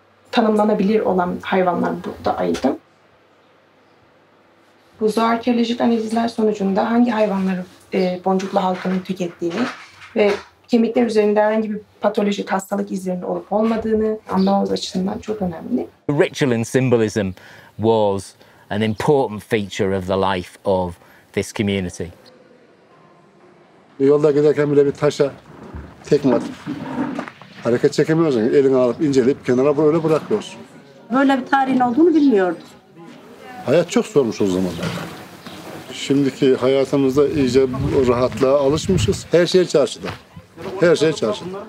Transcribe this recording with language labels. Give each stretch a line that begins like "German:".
Turkish: Tanımlanabilir olan hayvanlar burada aydın. Bu zooarkeolojik analizler sonucunda hangi hayvanları boncuklu halkının tükettiğini ve kemikler üzerinde herhangi bir patolojik hastalık izlerinin olup olmadığını anlamamız açısından çok önemli.
English: The ritual and symbolism was an important feature of the life of this community.
Turkish: Yolda giderken bile bir taşa tekme atıp hareket çekemiyorsun. Elini alıp inceleyip kenara böyle bırakıyorsun. Böyle bir tarihin olduğunu bilmiyordum. Hayat çok zormuş o zamanlar. Şimdiki hayatımızda iyice rahatlığa alışmışız. Her şey çarşıda. Her şey çarşıda.